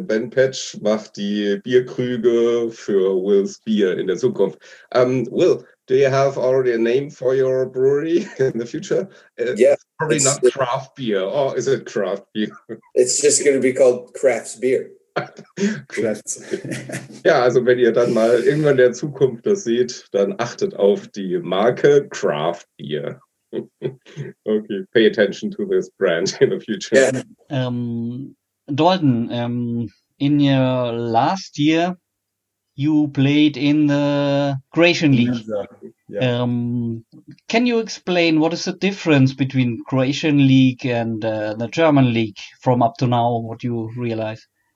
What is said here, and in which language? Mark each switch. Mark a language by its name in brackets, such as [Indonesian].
[German] Ben Patch macht die Bierkrüge für Will's Bier in der Zukunft. [English] Will, do you have already a name for your brewery in the future? Probably not craft beer. Or is it craft beer? It's just going to be called Crafts Beer. Crafts. [German] Ja, also wenn ihr dann mal irgendwann in der Zukunft das seht, dann achtet auf die Marke Craft Beer. [English] Okay, pay attention to this brand in the future. Yeah. Dalton, in your last year, you played in the Croatian League. Exactly. Yeah. Can you explain what is the difference between Croatian League and the German League from up to now, what you realize?